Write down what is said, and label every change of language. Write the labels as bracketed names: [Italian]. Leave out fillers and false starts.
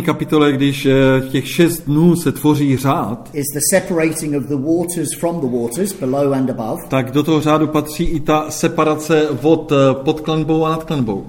[Czech] kapitole, když těch 6 dnů se tvoří řád, [English] is the separating of the waters from the waters below and above. [Czech] Tak do toho řádu patří i ta separace vod pod klenbou a nad klenbou.